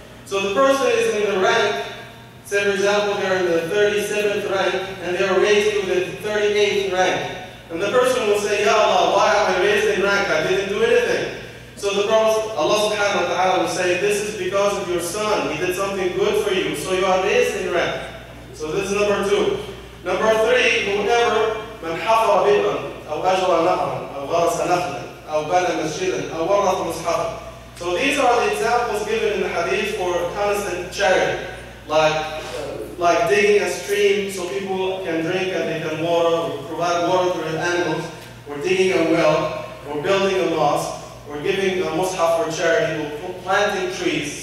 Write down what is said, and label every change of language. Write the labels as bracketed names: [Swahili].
[English] So the person is in the rank, say for example they're in the 37th rank, and they're raised to the 38th rank. And the person will say, Ya Allah, why am I raised in rank? I didn't do anything. So the Prophet, Allah subhanahu wa ta'ala, will say, this is because of your son. He did something good for you, so you are raised in rank. So this is number two. Number three, whoever, [Arabic] من حفر بئرا أو أجرى نهرا أو غرس نخلا أو بنى مسجدا أو ورث مصحفا. [English] So these are the examples given in the hadith for constant charity, like digging a stream so people can drink and they can water, or provide water to their animals, or digging a well, or building a mosque, or giving a mushaf for charity, or planting trees.